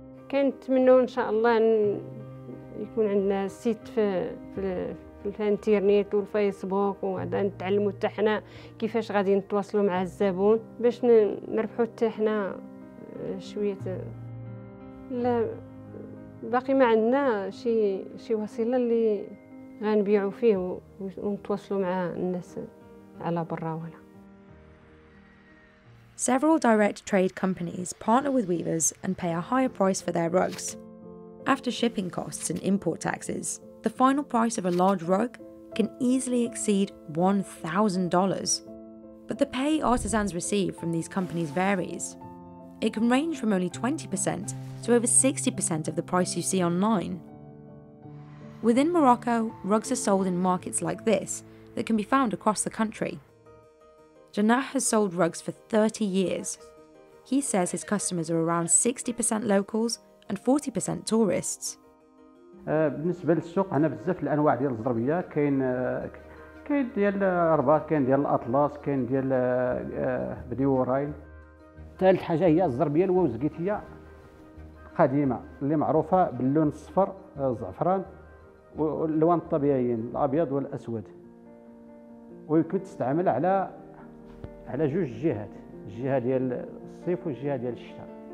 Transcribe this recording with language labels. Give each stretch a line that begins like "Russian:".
Arabic: كنتمنوا ان شاء الله يكون عندنا سيت في الانترنت والفيسبوك وعاد نتعلموا حتى حنا كيفاش غادي نتواصلوا مع الزبون باش نربحوا حتى حنا شويه. لا باقي ما عندنا شي وسيله اللي غنبيعوا فيه ونتواصلوا مع الناس على برا ولا.
English: Several direct trade companies partner with weavers and pay a higher price for their rugs. After shipping costs and import taxes, the final price of a large rug can easily exceed $1,000. But the pay artisans receive from these companies varies. It can range from only 20% to over 60% of the price you see online. Within Morocco, rugs are sold in markets like this that can be found across the country. Janah has sold rugs for 30 years. He says his customers are around 60% locals and 40% tourists.
Arabic: بالنسبة للسوق عندنا بزاف الانواع ديال الزربيه كاين ديال الرباط كاين ديال الاطلس كاين ديال بديورين. ثالث حاجه هي الزربيه الوزقيتيه قديمه اللي معروفه باللون الصفر الزعفران واللوان الطبيعيين الابيض والاسود ويمكن تستعمل على جوج جهات الجهه ديال الصيف والجهه ديال الشتاء.